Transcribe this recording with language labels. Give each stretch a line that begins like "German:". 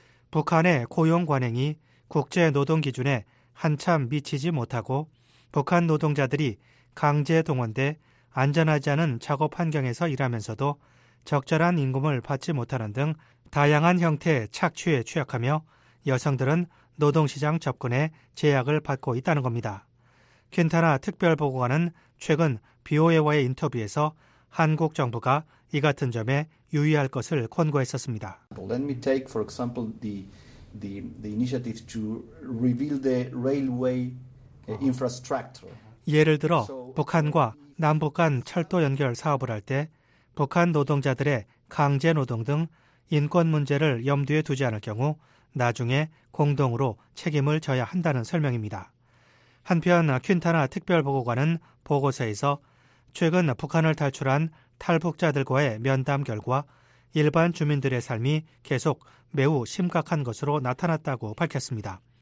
Korean: 북한의 고용 관행이 국제 노동 기준에 한참 미치지 못하고 북한 노동자들이 강제 동원돼 안전하지 않은 작업 환경에서 일하면서도 적절한 임금을 받지 못하는 등 다양한 형태의 착취에 취약하며 여성들은 노동시장 접근에 제약을 받고 있다는 겁니다. 퀸타나 특별보고관은 최근 BOA와의 인터뷰에서 한국 정부가 이 같은 점에 유의할 것을 권고했었습니다.
English: Let me take for example the initiative to reveal the railway infrastructure.
Korean: 예를 들어 북한과 남북 간 철도 연결 사업을 할 때 북한 노동자들의 강제 노동 등 인권 문제를 염두에 두지 않을 경우 나중에 공동으로 책임을 져야 한다는 설명입니다. 한편 퀸타나 특별보고관은 보고서에서 최근 북한을 탈출한 탈북자들과의 면담 결과 일반 주민들의 삶이 계속 매우 심각한 것으로 나타났다고 밝혔습니다.